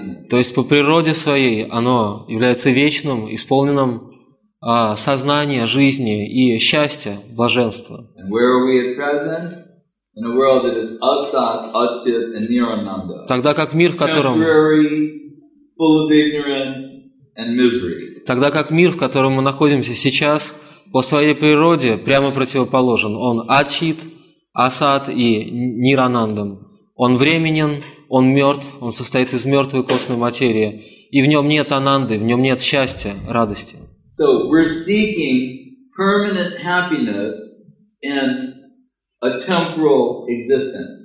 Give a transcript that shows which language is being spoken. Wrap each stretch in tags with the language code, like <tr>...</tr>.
<ru>То есть по природе своей оно является вечным, исполненным сознания, жизни и счастья, блаженства.</ru> <en>And where are we at present? In a world that is asat, achit, and nirananda.</en> <ru>Тогда как мир, в котором...</ru> <en>Temporary, full of ignorance and misery.</en> <ru>Тогда как мир, в котором мы находимся сейчас, по своей природе прямо противоположен. Он ачит, асат и нирананда. Он временен, он мертв, он состоит из мертвой костной материи. И в нем нет ананды, в нем нет счастья, радости.</ru> <en>So we're seeking permanent happiness in a temporal existence.</en>